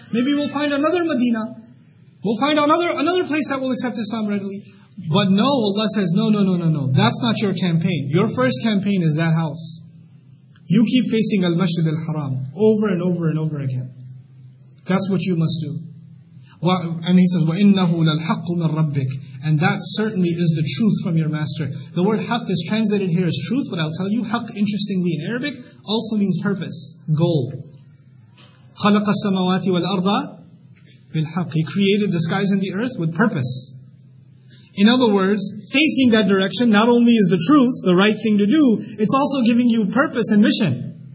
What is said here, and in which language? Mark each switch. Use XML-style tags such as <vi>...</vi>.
<en>Maybe we'll find another Medina. We'll find another place that will accept Islam readily. But no, Allah says, no. That's not your campaign. Your first campaign is that house. You keep facing Al-Masjid Al-Haram over and over and over again. That's what you must do.</en> <ar>And he says, وَإِنَّهُ لَلْحَقُّ مِنْ رَبِّكَ.</ar> <en>And that certainly is the truth from your master. The word haqq is translated here as truth, but I'll tell you, haqq, interestingly in Arabic, also means purpose, goal.</en> <ar>خَلَقَ السَّمَوَاتِ وَالْأَرْضَ بِالْحَقِّ.</ar> <en>He created the skies and the earth with purpose. In other words, facing that direction not only is the truth, the right thing to do, it's also giving you purpose and mission.</en>